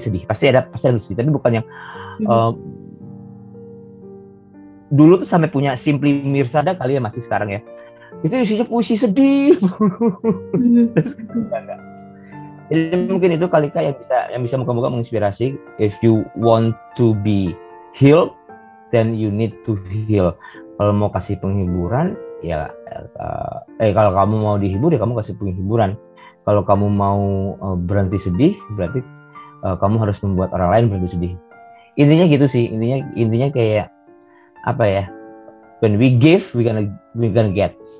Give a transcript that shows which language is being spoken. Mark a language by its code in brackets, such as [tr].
[id] Pasti ada sedih, tapi bukan yang dulu tuh sampai punya Simply Mirza ada kali ya, masih sekarang ya. Itu isinya puisi sedih. Jadi mungkin itu kali Kak yang bisa moga-moga menginspirasi. [en] If you want to be healed, then you need to heal. [id] Kalau mau kasih penghiburan, kalau kamu mau dihibur ya kamu kasih penghiburan. Kalau kamu mau berhenti sedih, berarti kamu harus membuat orang lain berhenti sedih. Intinya gitu sih. Intinya kayak apa ya? [en] When we give, we gonna get.